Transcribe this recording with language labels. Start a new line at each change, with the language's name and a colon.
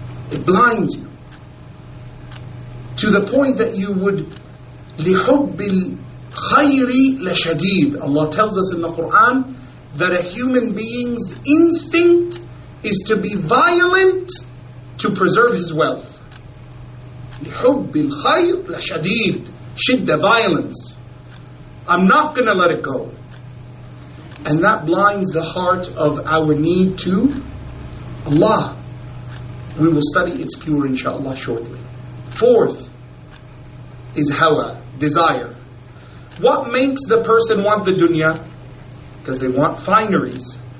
English: It blinds you to the point that you would
Arabic: لِحُبِّ الْخَيْرِ لَشَدِيدِ.
English: Allah tells us in the Quran that a human being's instinct is to be violent to preserve his wealth.
Arabic: لحب الخير لشديد, شدة,
English: violence. I'm not going to let it go. And that blinds the heart of our need to Allah. We will study its cure inshallah shortly. Fourth is hawa, desire. What makes the person want the dunya? Because they want fineries.